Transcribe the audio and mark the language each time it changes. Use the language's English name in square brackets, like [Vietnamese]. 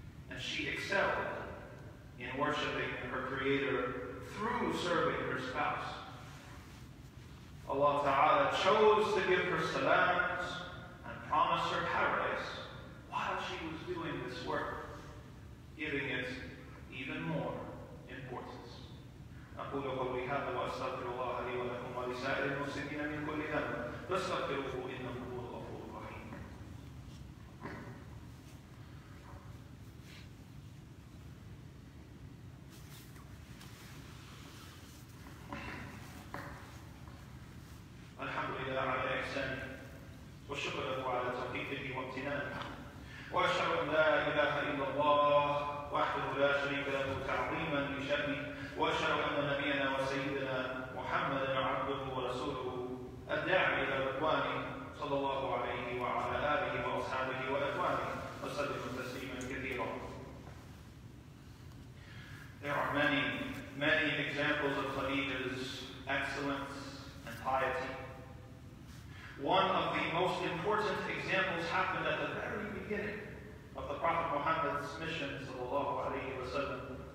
[English] And she excelled in worshiping her Creator through serving her spouse. Allah Ta'ala chose to give her salams and promise her paradise while she was doing this work, giving it even more importance. [Arabic] أقول قولي هذا وأستغفر الله لي ولكم ولسائر المسلمين من كل ذنب فاستغفروه إنه هو الغفور الرحيم. الحمد لله على إحسانه والشكر له على توفيقه وامتنانه وأشهد أن لا إله إلا الله وحده لا شريك له تعظيما لشأنه وأشهد أن نبينا وسيدنا محمدا عبده ورسوله الداعي إلى رضوانه صلى الله عليه وعلى آله وأصحابه وإخوانه وسلم تسليما كثيرا. [English] There are many, many examples of Khadija's excellence and piety. One of the most important examples happened at the very beginning of the Prophet Muhammad's mission, [Arabic] صلى الله عليه وسلم.